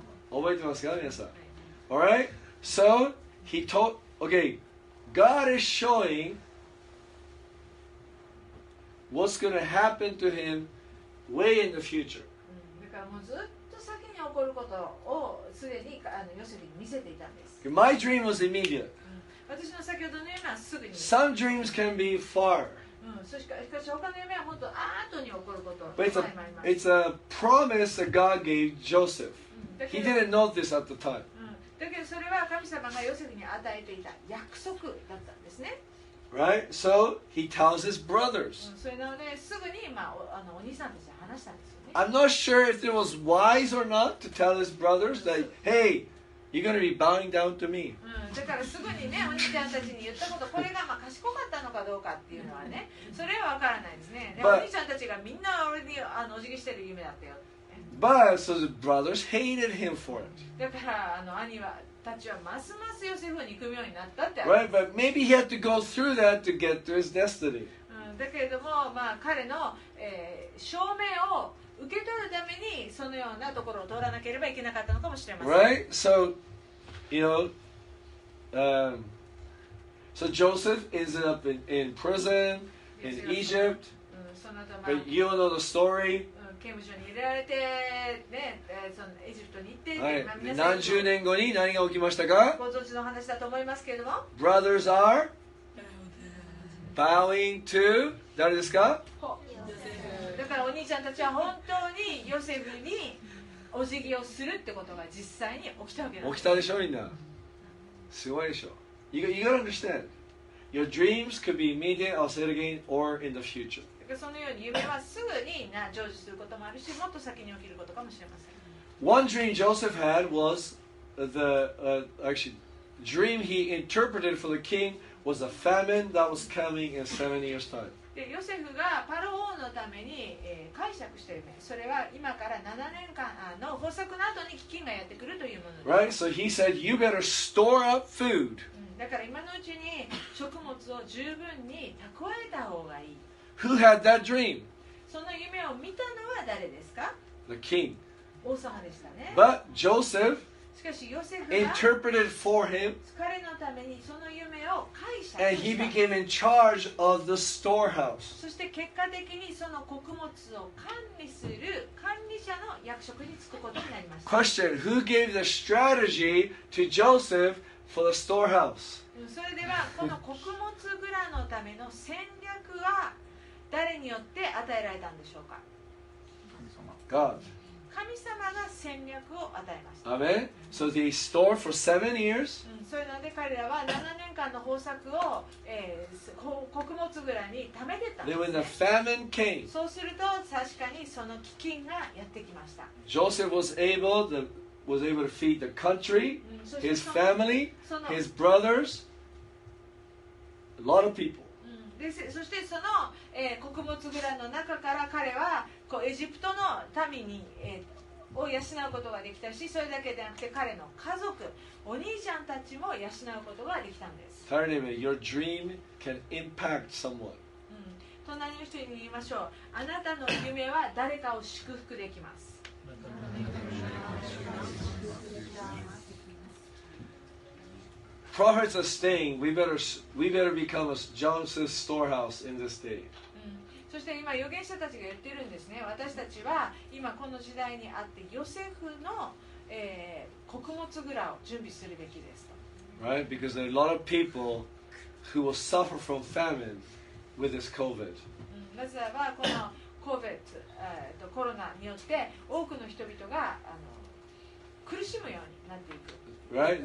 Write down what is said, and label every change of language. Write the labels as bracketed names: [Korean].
[Japanese] 覚えてますか皆さん、はい、 [English] Alright, so he told, okay, God is showing what's going to happen to him way in the future、 [Japanese] だからもうずっと先に起こることをすでにヨセフに見せていたんです。 [English] Okay, My dream was immediate. [Japanese] 私の先ほどの夢はすぐに。 [English] Some dreams can be far.、 [Japanese] しかし他の夢は本当に後に起こること。 [English] It's a promise that God gave Joseph.、He didn't know this at the time.、 [Japanese] だけどそれは神様がヨセフに与えていた約束だったんですね。 [English] Right? So he tells his brothers.、 [Japanese] それなのですぐに、お兄さんたちに話したんですよね。 [English] I'm not sure if it was wise or not to tell his brothers that, hey,You're going to be bowing down to me.、 [Japanese] だからすぐにね、お兄ちゃんたちに言ったこと、これがまあ賢かったのかどうかっていうのはね、それは分からないですね。で、But, お兄ちゃんたちがみんな俺にお辞儀してる夢だったよって、ね。 [English] But, so the brothers hated him for it. [Japanese] だから兄はたちはますますヨセフを憎むようになったって。 [English] Right, but maybe he had to go through that to get to his destiny.、 [Japanese] だけれども、彼の、証明を受け取るためにそのようなところを通らなければいけなかったのかもしれません。 [English] Right, so you know, so Joseph ends up in prison in Egypt. [Japanese] その後、 [English] But you all know the story. [Japanese] 刑務所に入れられてね、そのエジプトに行って、はい、皆さん何十年後に何が起きましたか？ご存知の話だと思いますけれども。 [English] Brothers are bowing to [Japanese] 誰ですか？だからお兄ちゃんたちは本当にヨセフにお辞儀をするってことが実際に起きたわけなんです。起きたでしょみんな。すごいでしょ。 [English] You gotta understand. Your dreams could be immediate, I'll say it again, or in the future. [Japanese] だからそのように夢はすぐに成就することもあるし、もっと先に起きることかもしれません。 [English] One dream Joseph had was the, actually, dream he interpreted for the king was a famine that was coming in 7 years' time. [Japanese] でヨセフがパロ王のために、解釈してる、ね、それは今から7年間の豊作の後に飢饉がやってくるというものです。 [English] Right, so he said, you better store up food. [Japanese] だから今のうちに食物を十分に蓄えた方がいい。 [English] Who had that dream? [Japanese] その夢を見たのは誰ですか？ [English] The king. [Japanese] 王様でしたね。 [English] But Joseph [Japanese] しかしヨセフが [English] interpreted for him. [Japanese] 彼のためにその夢 [English] And he became in charge of the storehouse. [Japanese] そして結果的にその穀物を管理する管理者の役職に就くことになりました。 [English] Question: Who gave the strategy to Joseph for the storehouse? [Japanese] それではこの穀物蔵のための戦略は誰によって与えられたんでしょうか。神様。神様が戦略を与えました。 [English] アメン。So they store for 7 years、 [Japanese] うん、それなので彼らは7年間の豊作を、穀物蔵に貯めてたんですね。 [English] Then when the famine came、 [Japanese] そうすると確かにその飢饉がやってきました。 [English] Joseph was able to, feed the country、うん、his family、 his brothers、 a lot of people、 [Japanese] でそしてその、穀物蔵の中から彼はこうエジプトの民に、を養うことができたし、それだけでなくて彼の家族、お兄ちゃんたちも養うことができたんです。隣の人に [English] Your dream can impact someone、 [Japanese] うん、隣の人に言いましょう。あなたの夢は誰かを祝福できます。 [English] Prophets are saying we better become a Joseph's storehouse in this day.、 [Japanese] うん、そして今預言者たちが言ってるんですね。私たちは今この時代にあってヨセフの、穀物蔵を準備するべきですと。 [English] Right? Because there are a lot of people who will suffer from famine with this COVID.、 [Japanese] うん、まずはこの COVID、コロナによって多くの人々が苦しむようになっていく。